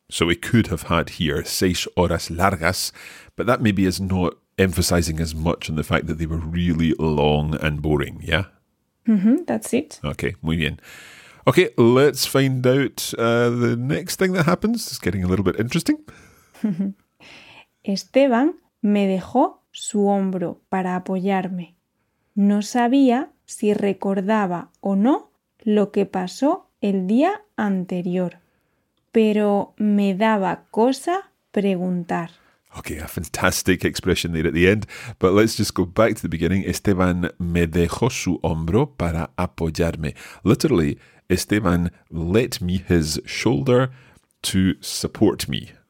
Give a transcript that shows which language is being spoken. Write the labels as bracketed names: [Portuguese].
[English] So we could have had here 6 [Spanish] horas largas, [English] but that maybe is not emphasizing as much on the fact that they were really long and boring, yeah? Mm-hmm, that's it. [Spanish] Okay, muy bien. [English] Okay, let's find out the next thing that happens. It's getting a little bit interesting. [Spanish] Esteban me dejó su hombro para apoyarme. No sabía si recordaba o no lo que pasó el día anterior, pero me daba cosa preguntar. [English] Okay, a fantastic expression there at the end, but let's just go back to the beginning. Esteban me dejó su hombro para apoyarme. Literally, Esteban let me his shoulder to support me.